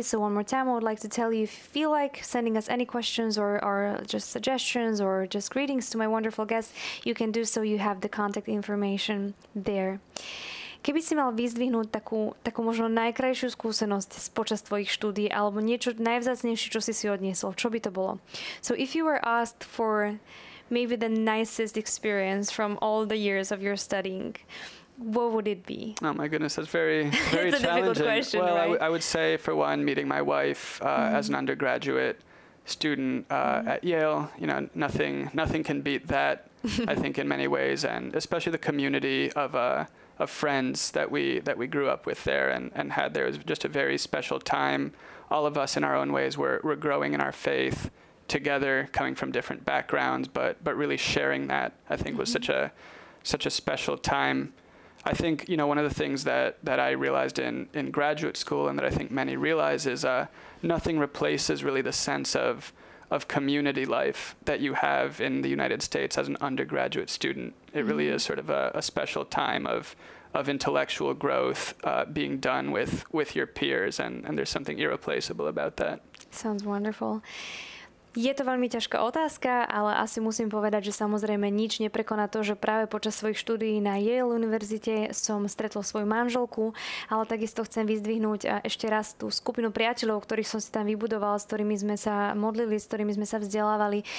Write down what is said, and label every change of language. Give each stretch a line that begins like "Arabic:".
English: So one more time, I would like to tell you if you feel like sending us any questions or just suggestions or just greetings to my wonderful guests, you can do so, you have the contact information there.
Slovak: Keby si mal vyzdvihnúť takú možno najkrajšiu skúsenosť počas tvojich štúdií alebo niečo najvzácnejšie, čo si odniesol, čo by to bolo?
English: So if you were asked for maybe the nicest experience from all the years of your studying, what would it be? Oh my goodness, that's very, very it's a challenging. Difficult question, well, right? I would say, for one, meeting my wife mm-hmm. as an undergraduate student mm-hmm. at Yale. You know, nothing can beat that. I think in many ways, and especially the community of friends that we grew up with there and had there. It was just a very special time. All of us, in our own ways, were growing in our faith together, coming from different backgrounds, but really sharing that, I think, mm-hmm. was such a such a special time. I think, you know, one of the things that I realized in graduate school, and that I think many realize, is nothing replaces really the sense of community life that you have in the United States as an undergraduate student. It mm-hmm. really is sort of a special time of intellectual growth being done with your peers, and there's something irreplaceable about that. Sounds wonderful.
Slovak: Je to veľmi ťažká otázka, ale asi musím povedať, že samozrejme nič neprekoná to, že práve počas svojich štúdií na Yale univerzite som stretol svoju manželku, ale takisto chcem vyzdvihnúť ešte raz tú skupinu priateľov, ktorých som si tam vybudovala, s ktorými sme sa modlili, s ktorými sme sa vzdelávali.